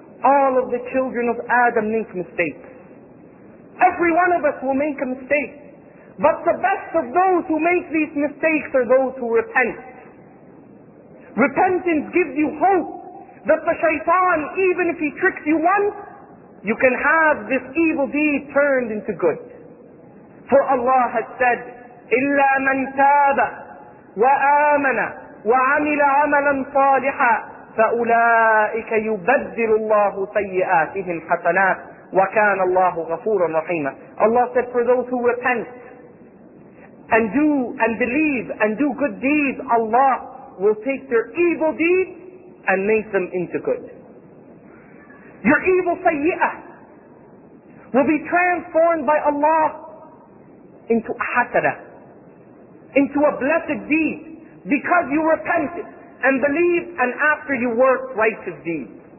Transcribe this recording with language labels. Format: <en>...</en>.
<en>All of the children of Adam make mistakes. Every one of us will make a mistake. But the best of those who make these mistakes are those who repent. Repentance gives you hope that the shaitan, even if he tricks you once, you can have this evil deed turned into good. For Allah has said,</en> <ar>إِلَّا مَنْ تَابَ وَآمَنَ وَعَمِلَ عَمَلًا صَالِحًا فَأُولَٰئِكَ يُبَدِّلُ اللَّهُ سَيِّئَاتِهِمْ حَسَنَاتٍ وَكَانَ اللَّهُ غَفُورًا رَحِيمًا.</ar> <en>Allah said, for those who repent and do and believe and do good deeds, Allah will take their evil deeds and make them into good. Your evil sayyi'ah will be transformed by Allah into a hasana, into a blessed deed, because you repented and believed and after you worked righteous deeds.</en>